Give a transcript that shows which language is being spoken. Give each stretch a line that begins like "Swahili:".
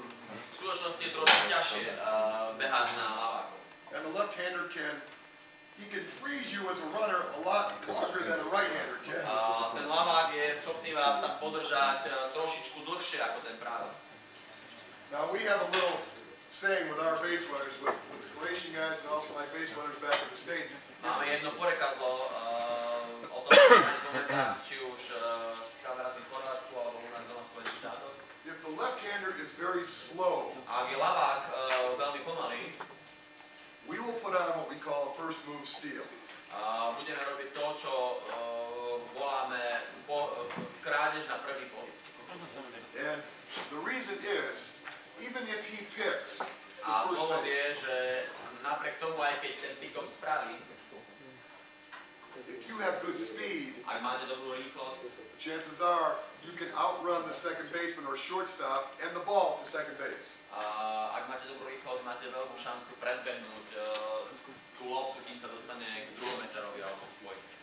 Slovak: V skutočnosti je trošku ťažšie behať na ľavákoch.
English: And the left-hander can freeze you as a runner a lot longer than a right-hander can.
Slovak: Ten ľavák je schopný vás tam podržať trošičku dlhšie ako ten pravák.
English: Now we have a little saying with our base runners, with the Croatian guys and also my base runners back in the States.
Slovak: Máme jedno porekadlo o tom, čo pamätá, či už s kamarátmi v Chorvátsku alebo u nás doma v Spojených štátoch.
English: If the left-hander is very slow,
Slovak: ak je ľavák veľmi pomalý,
English: we will put on what we call a first move steal.
Slovak: Budeme robiť to, čo voláme krádež na prvý pohyb.
English: And the reason is, even if he picks
Slovak: a dôvod je, že napriek tomu, aj keď ten pick-off spraví,
English: if you have good speed,
Slovak: ak máte dobrú rýchlosť,
English: chances are you can outrun the second baseman or shortstop and the ball to second base.
Slovak: Ak máte dobrú rýchlosť, máte veľkú šancu predbehnúť tú loptu, kým sa dostane k druhometerovi alebo k svoj.